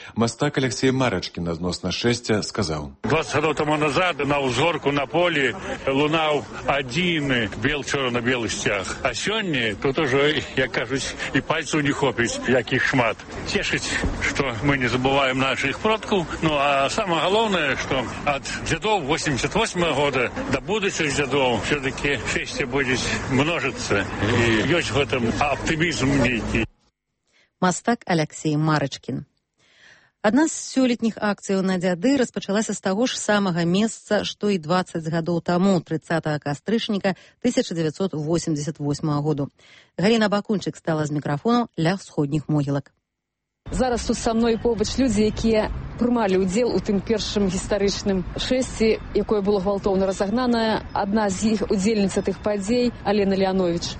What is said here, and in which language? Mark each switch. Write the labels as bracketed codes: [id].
[be] Мастак Алексей Марачкін адносна шэсця сказаў. 20 год таму назад на ўзгорку на полі лунаў адзіны бел-чорна-белы сцяг. А сёння тут ужо, як кажуць, і пальцаў не хопіць, якіх шмат. Цешыць, што мы не забываем нашых продкаў. [ru] Ну, а самага Главное, что от дзядоў 88-го года до будущих дзядоў все-таки шэсце будет множиться. И есть в этом оптимизм некий. [be] Мастак Алексей Марачкін. Адна з сёлетніх акцыяў на дзяды распачалася з таго ж самага месца, што і 20 гадоў таму, 30 кастрычніка 1988 году. Галіна Бакунчык стала з мікрафону ля сходніх могілак. Зараз тут са мной побач людзі, якія прымалі ўдзел у тым першым гістарычным шэсці, якое было гвалтоўна разагнанае, адна з іх удзельніца тых падзей Алена Леановіч.